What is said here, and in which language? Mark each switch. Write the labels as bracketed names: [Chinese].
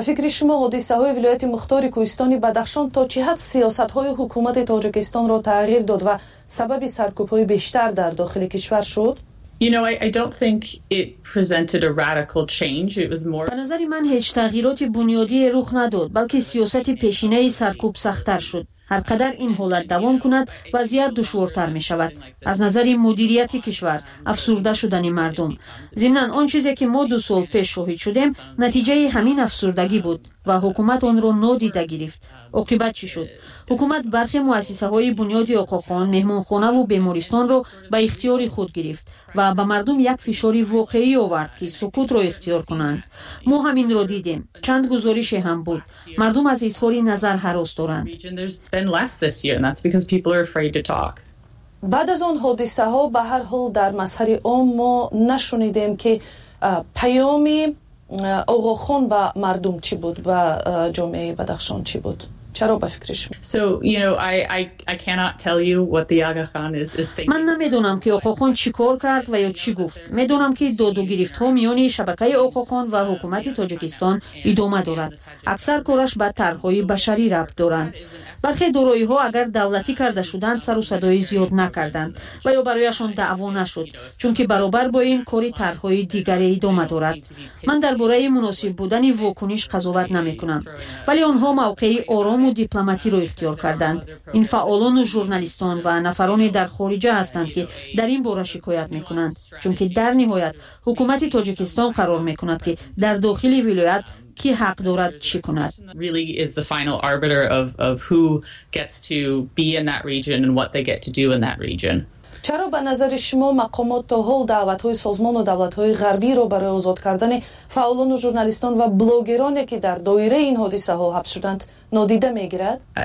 [Persian] فکر شما حادثه های ولایت مختار کوهستان بدخشان تا چه حد سیاست های حکومت تاجیکستان را تغییر داد و سبب سرکوب های بیشتر در داخل کشور شد؟ [English] You know, I don't think it presented a radical change. It was more. [Persian] به نظر من هیچ تغییراتی بنیادی رخ نداد، بلکه سیاست پیشینه سرکوب سخت‌تر شد. هرقدر این حالت دوام کند، وضعیت دشوارتر می شود. از نظر مدیریت کشور، افسرده شدن مردم. ضمناً آن چیزی که ما 2 سال پیش شاهد شدیم، نتیجه همین افسردگی بود و حکومت آن را نادیده گرفت. عاقبت چی شد؟ حکومت برخی مؤسسه های بنیادی آقاخان، مهمانخانه و بیمارستان را به اختیار خود گرفت و به مردم یک فشاری واقعی آورد که سکوت را اختیار کنند. ما همین را دیدیم. چند گزارش هم بود. مردم از اظهار نظر هراس دارند. بعد از آن حادثه ها به هر حال در مظهر عام ما نشنیدیم که پیامی آقاخان به مردم چی بود، به جامعه بدخشان چی بود؟ چرا به فکرش؟ [English] I cannot tell you what the Aga Khan is thinking. [Persian] من نمیدونم که آقاخان چی کار کرد و یا چی گفت. میدونم که دادو گرفت ها میان شبکه آقاخان و حکومت تاجیکستان ادامه دارد. اکثر کارش به طرح‌های بشری ربط دارند. برخی دارایی ها اگر دولتی کرده شدند سر و صدای زیاد نکردند و یا برایشان دعوا نشد، چون که برابر با این کاری طرح‌های دیگری ادامه دارد. من درباره مناسب بودن واکنش قضاوت نمی‌کنم، ولی آنها موقعی آرام و دیپلماتی را اختیار کردند. این فعالان و ژورنالیستان و نفران در خارجه هستند که در این باره شکایت می‌کنند، چون که در نهایت حکومت تاجیکستان قرار می‌کند که در داخل ولایت کی حق دارد چی کند. [English] Really is the final arbiter of who gets to be in that region and what they get to do in that region. [Persian] چرا به نظر شما مقامات تا حال دعوت‌های سازمان و دولت‌های غربی را برای آزاد کردن فعالان و ژورنالیستان و بلاگرانی که در دایره این حادثه ها حبس شدند نادیده می‌گیرد؟